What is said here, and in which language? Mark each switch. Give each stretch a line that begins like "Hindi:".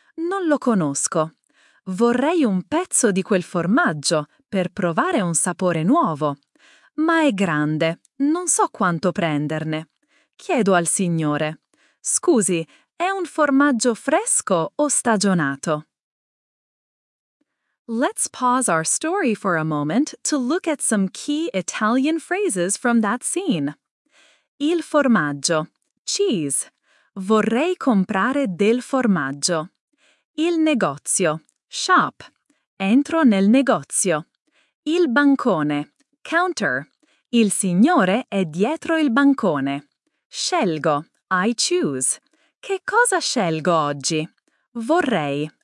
Italian: Non lo conosco. Vorrei un pezzo di quel formaggio per provare un sapore nuovo. Ma è grande, non so quanto prenderne. Chiedo al signore: Scusi, è un formaggio fresco o stagionato?
English: Let's pause our story for a moment to look at some key Italian phrases from that scene.
Italian: Il formaggio. Cheese. Vorrei comprare del formaggio. Il negozio. Shop. Entro nel negozio. Il bancone. Counter. Il signore è dietro il bancone. Scelgo.
English: I choose.
Italian: Che cosa scelgo oggi? Vorrei.